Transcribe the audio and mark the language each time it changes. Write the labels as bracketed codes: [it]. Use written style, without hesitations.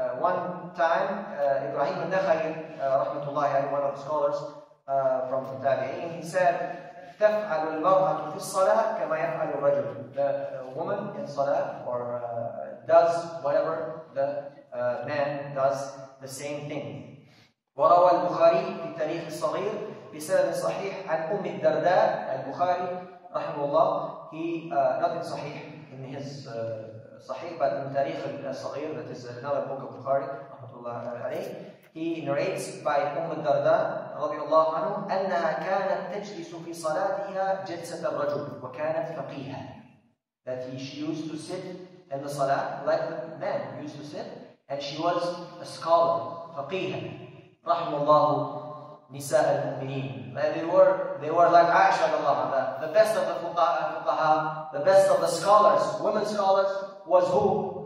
[en] One time, Ibrahim al-Nakhai, rahmatullahi, one of the scholars from the Tabi'in, he said, [ar] تفعل المرأة في الصلاة كما يفعل الرجل. [en] The woman in salah or does whatever the man does, the same thing. [ar] وروى البخاري في التاريخ الصغير بسند صحيح عن أم الدرداء البخاري رحمه الله. [en] He not in صحيح in his صحيح but in التاريخ الصغير, that is another book of Bukhari رحمه الله عليه. He narrates by [ar] Umm al-Darda رضي الله عنه أنها كانت تجلس في صلاتها جلسة الرجل وكانت فقيها. [en] That she used to sit in the salah like the man used to sit, and she was a scholar, [ar] فقيها رحم الله نساء المؤمنين. [en] They were like Aisha رضي الله عنها, the best of the fuqaha, the best of the scholars, women scholars, was who?